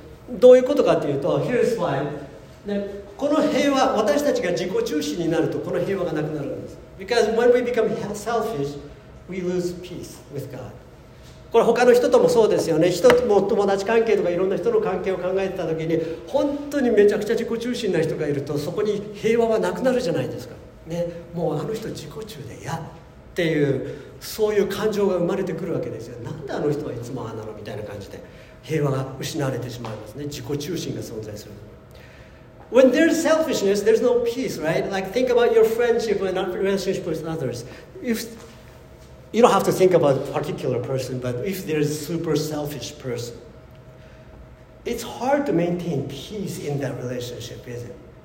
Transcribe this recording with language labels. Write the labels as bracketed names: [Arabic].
[Japanese] どういうことかというと、 [English] Here's why.、 [Japanese] ね、この平和、私たちが自己中心になるとこの平和がなくなるんです。 [English] Because when we become selfish, we lose peace with God. [Japanese] これ他の人ともそうですよね。人とも友達関係とかいろんな人の関係を考えてたときに、本当にめちゃくちゃ自己中心な人がいると、そこに平和はなくなるじゃないですか。ね、もうあの人自己中で嫌っていう、そういう感情が生まれてくるわけですよ。なんであの人はいつもああなのみたいな感じで、平和が失われてしまいますね。自己中心が存在する。 [English] When there's selfishness, there's no peace, right? Like, think about your friendship and relationship with others. You don't have to think about a particular person, but if there's a super selfish person, it's hard to maintain peace in that relationship, isn't it?